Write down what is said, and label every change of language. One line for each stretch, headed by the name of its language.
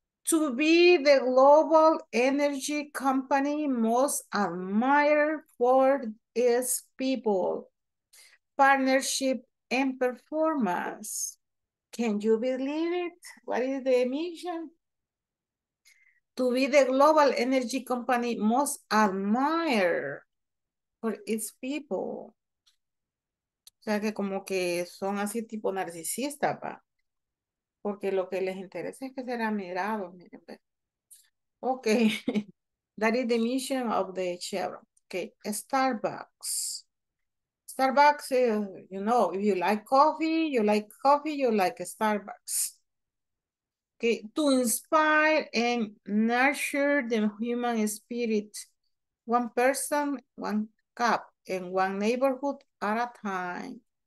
English: To be the global energy company most admired for its people, partnership, and performance. Can you believe it? What is the mission? To be the global energy company most admired for its people.
Spanish: O sea, que como que son así tipo narcisista, pa. Porque lo que les interesa es que sean admirados, miren.
English: Okay, that is the mission of the Chevron. Okay, Starbucks. Starbucks, you know, if you like coffee, you like coffee, you like Starbucks. Okay, to inspire and nurture the human spirit, one person, one cup, in one neighborhood at a time.